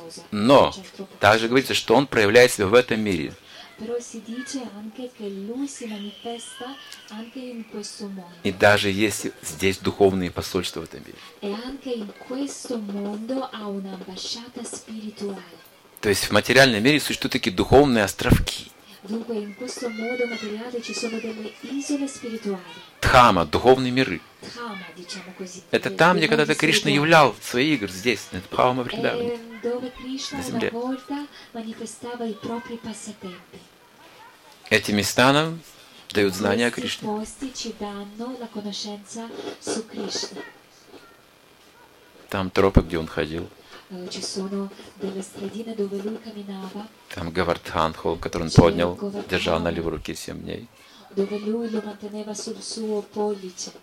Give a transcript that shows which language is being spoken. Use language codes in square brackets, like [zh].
[ru] Но также говорится, что он проявляет себя в этом мире. [it] Però si dice anche che lui si manifesta anche in questo mondo. [ru] И даже есть здесь духовные посольства в этом мире. [it] E anche in questo mondo ha un'ambasciata spirituale. [ru] То есть в материальном мире существуют такие духовные островки. [it] Dunque in questo mondo materiale ci sono delle isole spirituali. [ru] Дхама, духовные миры. [it] Dhamma, diciamo così. [ru] Это там, где когда-то Кришна являл свои игры здесь, на Дхама Вриндаване. [it] Dove Krishna una volta manifestava i propri passatempi. [ru] Эти места нам дают знания о Кришне. [it] Questi posti ci danno la conoscenza su Krishna. [ru] Там тропы, где он ходил. [it] Ci sono delle stradine dove lui camminava. [ru] Там Говардхан холм, который он поднял, держал на левой руке 7 дней. [it] Dove lui lo manteneva sul suo pollice.